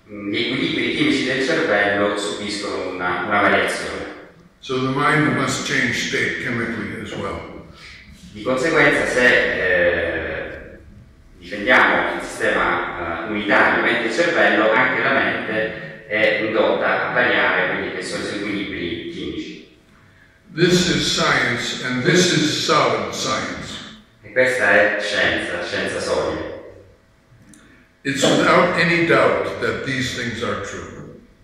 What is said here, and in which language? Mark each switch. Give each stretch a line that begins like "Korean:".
Italian: Gli equilibri chimici del cervello subiscono una variazione.
English: So the mind must change state chemically as well.
Italian: Di conseguenza, se difendiamo il sistema unitario mente e cervello, anche la mente è indotta a variare quindi che sono gli equilibri chimici.
English: This is science and this is solid science.
Italian: E questa è scienza, scienza solida.
English: It's without any doubt that these things are true.